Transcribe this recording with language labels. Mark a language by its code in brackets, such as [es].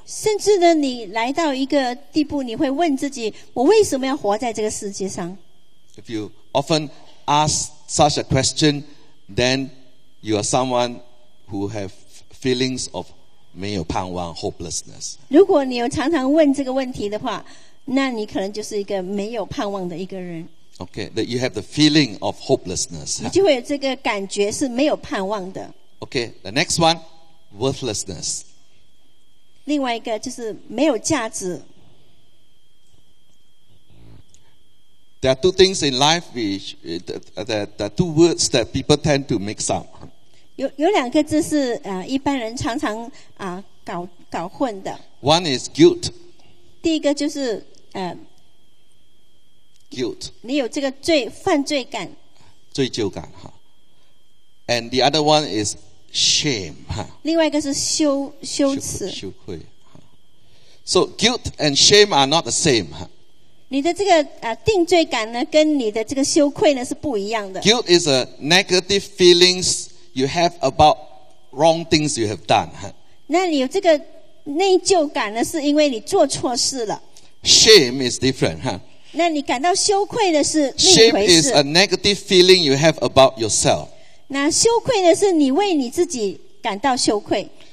[zh] 甚至呢，你来到一个地步，你会问自己，我为什么要活在这个世界上？ [en] If you often ask such a question, then you are someone who have feelings of [zh] 没有盼望 [en] hopelessness。 [zh] 如果你有常常问这个问题的话，那你可能就是一个没有盼望的一个人。 [en] Okay, that you have the feeling of hopelessness， [zh] 你就会有这个感觉是没有盼望的。 [en] Okay, the next one, worthlessness， [zh] 另外一个就是没有价值。 [en] There are two things in life which the two words that people tend to mix up. [zh] 有两个字是一般人常常搞混的。 [en] One is guilt. [zh] 第一个就是 [en] guilt. [zh] 你有这个罪犯罪感。罪疚感哈。 [en] And the other one is shame. [zh] 另外一个是羞耻。羞愧。 [en] So guilt and shame are not the same. [zh] 你的这个定罪感呢跟你的这个羞愧呢是不一样的。 [en] Guilt is a negative feelings you have about wrong things you have done. [zh] 那你有这个内疚感呢是因为你做错事了。 [en] Shame is different. [zh] 那你感到羞愧的是另一回事。 [en] Shame is a negative feeling you have about yourself. [zh] 那羞愧呢是你为你自己感到羞愧。